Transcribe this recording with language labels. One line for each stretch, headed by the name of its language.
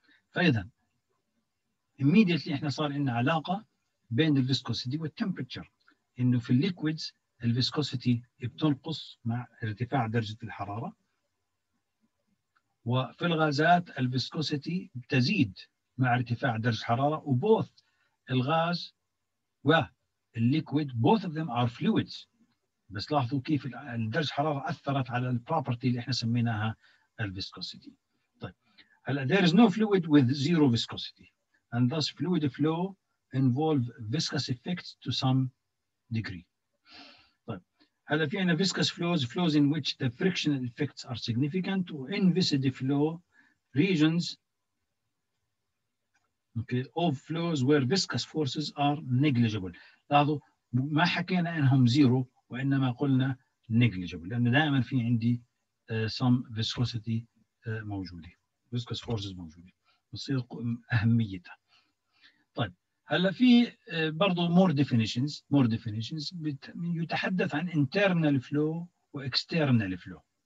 Arabic: فإذا immediately إحنا صار لنا علاقة بين الفيسكوسي والتمبرتشر، إنه في الليكويدز الفيسكوسي بتنقص مع ارتفاع درجة الحرارة، وفي الغازات الفيسكوسي بتزيد مع ارتفاع درجة الحرارة، وبوث الغاز والليكويد
English: both of them are fluids.
Arabic: بس لاحظوا كيف الدرجة حرارة أثرت على البروبرتي اللي احنا سميناها الفيسكوسيتي.
English: طيب هلا there is no fluid with zero viscosity and thus fluid flow involve viscous effects to some degree.
Arabic: طيب هلا في عنا
English: viscous flows, flows in which the frictional effects are significant, in viscid flow regions okay of flows where viscous forces are negligible.
Arabic: لاحظوا ما حكينا انهم زيرو وانما قلنا negligible، لانه دائما في عندي
English: some viscosity
Arabic: موجوده،
English: viscous forces
Arabic: موجوده بصير اهميتها. طيب هلا في برضه
English: more definitions
Arabic: يتحدث عن
English: internal flow
Arabic: واكسترنال فلو.